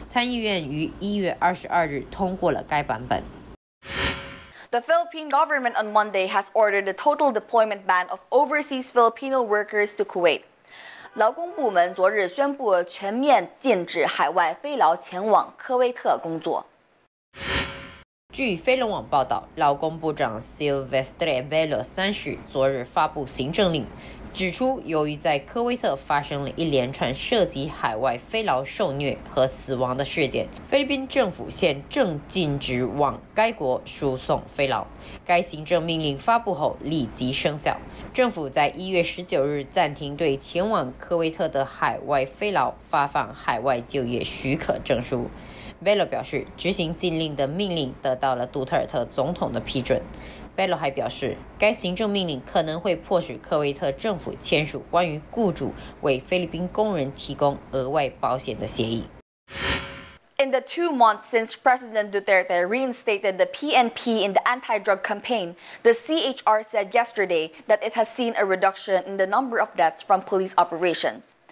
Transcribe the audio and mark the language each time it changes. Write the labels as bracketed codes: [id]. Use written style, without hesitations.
[zh] 新的法案旨在加强当前的措施，并调整其他入会仪式。它将欺凌定义为任何施加在兄弟会或任何组织新会员或申请会员者身体或心理上的痛苦以及伤害。现行的法律规定，如果在事件发生前一周向学校发出书面通知，可以将其作为入会仪式的一部分。参议院于1月22日通过了该版本。 [en] The Philippine government on Monday has ordered the total deployment ban of overseas Filipino workers to Kuwait. [zh] 劳工部门昨日宣布全面禁止海外非劳前往科威特工作。据飞龙网报道，劳工部长 Silvestre Velo 30昨日发布行政令，指出由于在科威特发生了一连串涉及海外非劳受虐和死亡的事件，菲律宾政府现正禁止往该国输送非劳。该行政命令发布后立即生效。政府在1月19日暂停对前往科威特的海外非劳发放海外就业许可证书。 Velo 表示，执行禁令的命令得到了杜特尔特总统的批准。Velo 还表示，该行政命令可能会迫使科威特政府签署关于雇主为菲律宾工人提供额外保险的协议。 [en] In the 2 months since President Duterte reinstated the PNP in the anti-drug campaign, the CHR said yesterday that it has seen a reduction in the number of deaths from police operations.